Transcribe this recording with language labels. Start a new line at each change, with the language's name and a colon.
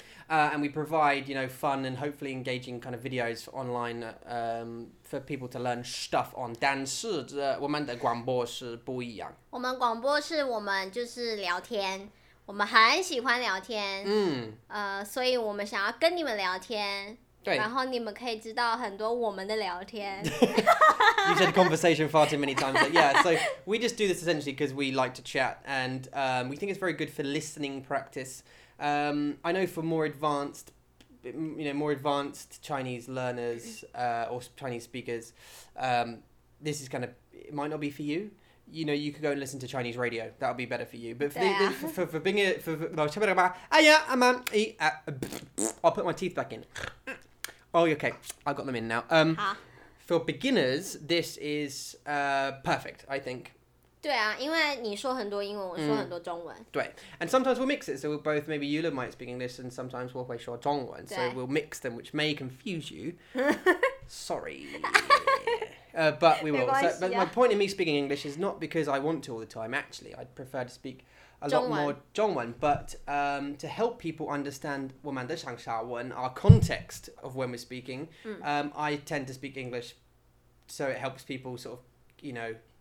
English: And we provide, you know, fun and hopefully engaging kind of videos online for people to learn stuff on.
Chinese: 但是我们的广播是不一样。我们广播是我们就是聊天，我们很喜欢聊天。嗯。所以我们想要跟你们聊天。对。然后你们可以知道很多我们的聊天。
English: You said conversation far too many times. But yeah, so we just do this essentially because we like to chat and we think it's very good for listening practice. I know for more advanced, you know, more advanced Chinese learners or Chinese speakers, this is kind of, it might not be for you. You know, you could go and listen to Chinese radio. That would be better for you. But I'll put my teeth back in. Oh, okay. I've got them in now. For beginners, this is perfect, I think.
Chinese: 对啊，因为你说很多英文，我说很多中文。
English: 对，and sometimes we'll mix it, so we'll both maybe Yula might speak English, and sometimes 我会说中文 so we'll mix them, which may confuse you. Sorry, but we will. So, but my point in me speaking English is not because I want to all the time. Actually, I'd prefer to speak a lot more 中文, but to help people understand 我们的上下文, our context of when we're speaking, I tend to speak English, so it helps people sort of, you know.